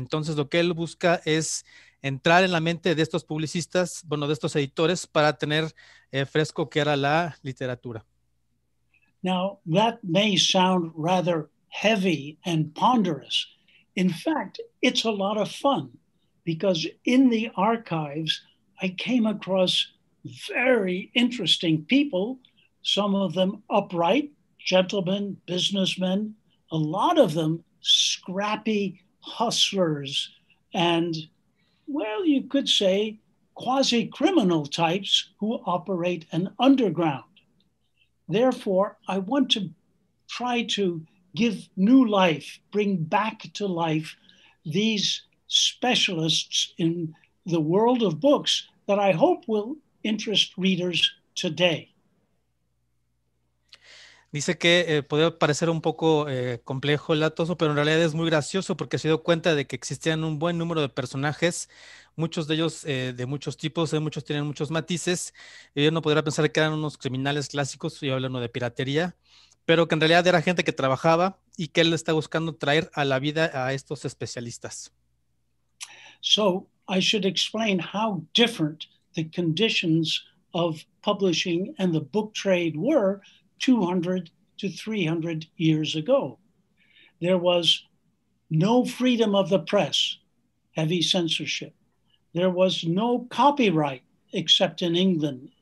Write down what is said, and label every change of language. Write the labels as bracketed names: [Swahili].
[Spanish] Entonces, lo que él busca es entrar en la mente de estos publicistas, bueno, de estos editores, para tener fresco que era la literatura. [English] Now, that may sound rather heavy and ponderous. In fact, it's a lot of fun, because in the archives, I came across very interesting people, some of them upright, gentlemen, businessmen, a lot of them scrappy hustlers and, well, you could say quasi-criminal types who operate an underground. Therefore, I want to try to give new life, bring back to life these specialists in the world of books that I hope will interest readers today. [Spanish] Dice que puede parecer un poco complejo el atoso, pero en realidad es muy gracioso porque se dio cuenta de que existían un buen número de personajes, muchos de ellos de muchos tipos, muchos tienen muchos matices. Yo no podría pensar que eran unos criminales clásicos, yo hablo de piratería, pero que en realidad era gente que trabajaba y que él está buscando traer a la vida a estos especialistas. [English] So, I should explain how different the conditions of publishing and the book trade were 200 to 300 years ago. There was no freedom of the press, heavy censorship. There was no copyright, except in England